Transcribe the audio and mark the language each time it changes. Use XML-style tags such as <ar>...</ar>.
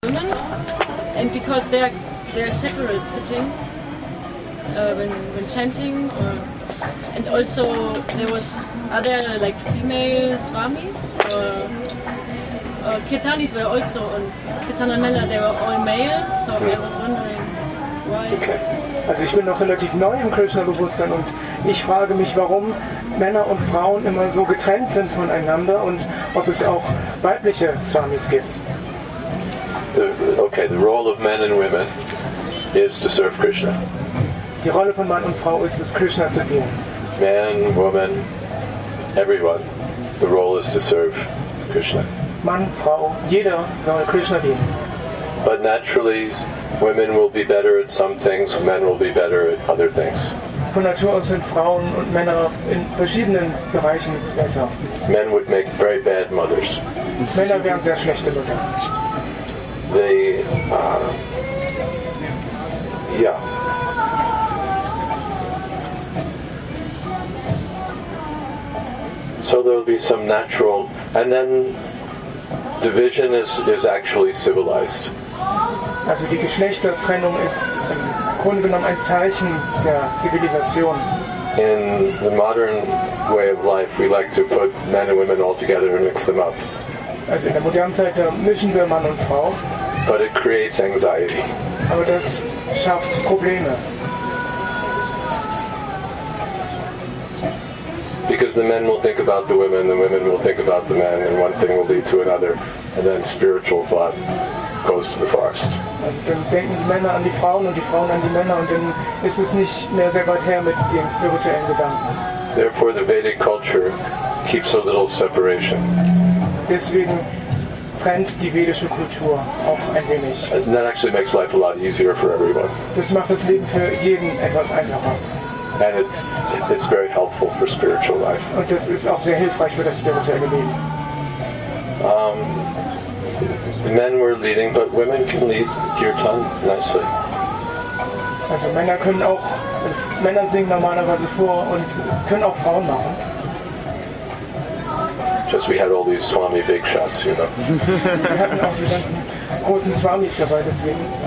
<en>And because they are separate sitting when chanting, or and also there was other like female swamis or kirtanis were also on Kirtana Mela, they were all male, so I was wondering why.</en> <de>Also ich bin noch relativ neu im Krishna-Bewusstsein und ich frage mich, warum Männer und Frauen immer so getrennt sind voneinander und ob es auch weibliche Swamis gibt.</de> <en>Okay, the role of men and women is to serve Krishna.</en> <de>Die Rolle von Mann und Frau ist es, Krishna zu dienen.</de> <en>Man, woman, everyone, the role is to serve Krishna.</en> <de>Mann, Frau, jeder soll Krishna dienen.</de> <en>But naturally, women will be better at some things, men will be better at other things.</en> <de>Von Natur aus sind Frauen und Männer in verschiedenen Bereichen besser.</de> <en>Men would make very bad mothers.</en> <de>Männer wären sehr schlechte Mütter.</de> <en>They, yeah. So there will be some natural, and then division is actually civilized.</en> <de>Also die Geschlechtertrennung ist im Grunde genommen ein Zeichen der Zivilisation.</de> <en>In the modern way of life, we like to put men and women all together and mix them up.</en> <de>Also in der modernen Zeit, da mischen wir Mann und Frau.</de> <en>But it creates anxiety.</en> <de>Aber das schafft Probleme.</de> <en>Because the men will think about the women will think about the men, and one thing will lead to another, and then spiritual thought goes to the forest.</en> <de>Also dann denken die Männer an die Frauen und die Frauen an die Männer und dann ist es nicht mehr sehr weit her mit den spirituellen Gedanken.</de> <en>Therefore, the Vedic culture keeps a little separation.</en> <de>Deswegen trennt die vedische Kultur auch ein wenig.</de> <en>And that actually makes life a lot easier for everyone.</en> <de>Das macht das Leben für jeden etwas einfacher.</de> <en>And it's very helpful for spiritual life.</en> <de>Und das ist auch sehr hilfreich für das spirituelle Leben.</de> <en>Men were leading, but women can lead kirtan nicely.</en> <de>Also Männer können auch, Männer singen normalerweise vor und können auch Frauen machen.</de> <en>Just we had all these Swami big shots, you know.</en> <de>Wir hatten auch die ganzen großen Swamis dabei, deswegen.</de>